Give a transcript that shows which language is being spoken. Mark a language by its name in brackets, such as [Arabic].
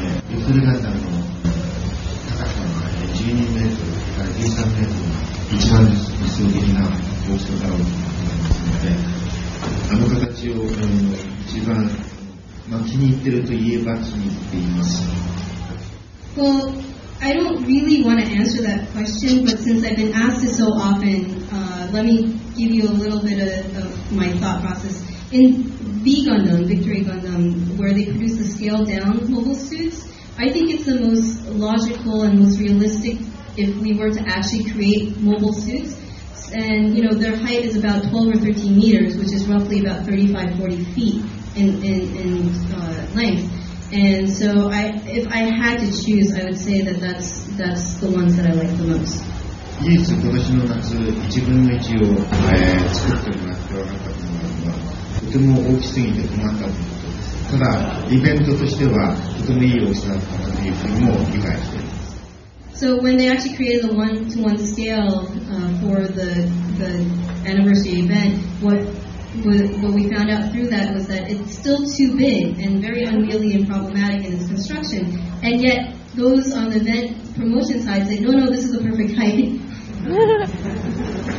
[Japanese] ビクトリーガンダムの12メートルから13メートルが一番理想的な大きさだろうと思いますので、あの形を一番、気に入っていると言えば気に入っています。 [English] Well, I don't really want to answer that question, but since I've been asked it so often, let me give you a little bit of my thought process. In V Gundam, Victory Gundam, where they produce the scaled down mobile suits, I think it's the most logical and most realistic if we were to actually create mobile suits. And, you know, their height is about 12 or 13 meters, which is roughly about 35, 40 feet in length. And so if I had to choose, I would say that that's the ones that I like the most. Yes, in the last year, I made one of the suits. I made one of the suits. [Japanese] ただイベントとしてはとてもいい大きさだったというふうにも理解しています。 [English] So when they actually created a one-to-one scale for the anniversary event, what we found out through that was that it's still too big and very unwieldy and problematic in its construction, and yet those on the event promotion side say, no, this is the perfect height.